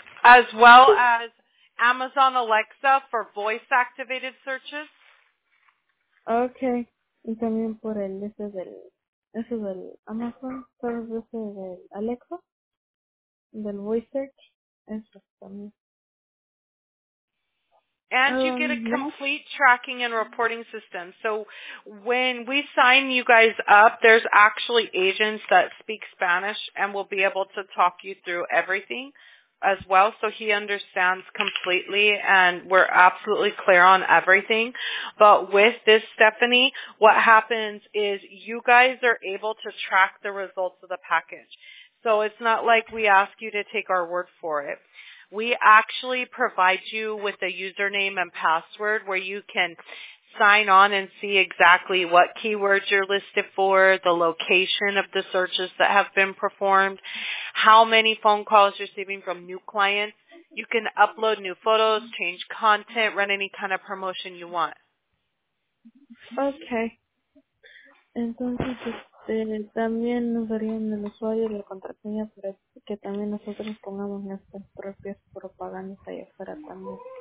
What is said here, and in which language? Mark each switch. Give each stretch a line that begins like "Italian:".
English: As well as Amazon Alexa for voice activated searches. Okay.
Spanish: Y también por el ese del Amazon service del Alexa del voice search. Eso también.
English: And you get a complete tracking and reporting system. So when we sign you guys up, there's actually agents that speak Spanish and will be able to talk you through everything as well. So he understands completely and we're absolutely clear on everything. But with this, Stephanie, what happens is you guys are able to track the results of the package. So it's not like we ask you to take our word for it. We actually provide you with a username and password where you can sign on and see exactly what keywords you're listed for, the location of the searches that have been performed, how many phone calls you're receiving from new clients. You can upload new photos, change content, run any kind of promotion you want. Okay. Okay.
Spanish: Entonces, también nos darían el usuario y la contraseña para que también nosotros pongamos nuestras propias propagandas ahí afuera también.